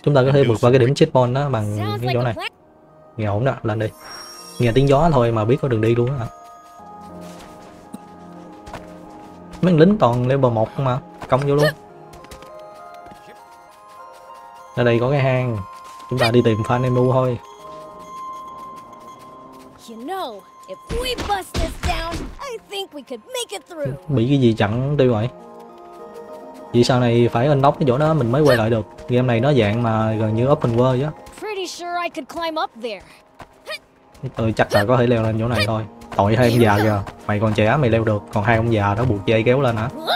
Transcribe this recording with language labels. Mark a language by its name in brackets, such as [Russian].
[Vietnamese] Chúng ta có thể vượt qua cái điểm checkpoint đó bằng cái chỗ này. Nghe ổn đó, lên đi. Nghe tiếng gió thôi mà biết có đường đi luôn á. Mấy lính toàn level 1 không mà, công vô luôn. Ở đây có cái hang. Chúng ta đi tìm Phan Emu thôi. [English] You know. If we bust this down, I think we could make it through. [Vietnamese] Bị cái gì chặn tiêu rồi. Vì sau này phải unlock cái chỗ đó mình mới quay lại được. Game này nó dạng mà gần như open world á. [English] Pretty sure I could climb up there. [Vietnamese] Ừ, chắc là có thể leo lên chỗ này thôi. Tội hai ông già kìa. Mày còn trẻ mày leo được, còn hai ông già đó buộc dây kéo lên hả?